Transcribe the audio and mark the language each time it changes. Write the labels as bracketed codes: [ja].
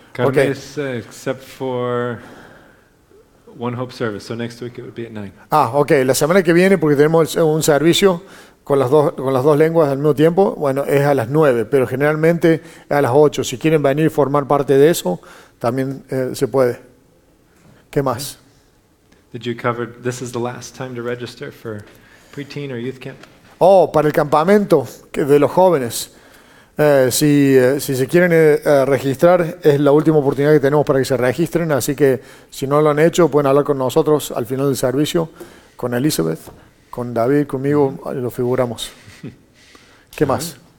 [en] Okay. Except for One Hope service, so next week it would be at 9. Ah, okay. [es] La semana que viene, porque tenemos un servicio con las dos lenguas al mismo tiempo, bueno, es a las 9, pero generalmente es a las 8. Si quieren venir y formar parte de eso, también se puede. ¿Qué más? [en] Did you cover, this is the last time to register for preteen or youth camp? [es] Oh, para el campamento de los jóvenes. Si se quieren registrar, es la última oportunidad que tenemos para que se registren. Así que si no lo han hecho, pueden hablar con nosotros al final del servicio, con Elizabeth, con David, conmigo, lo figuramos. ¿Qué más?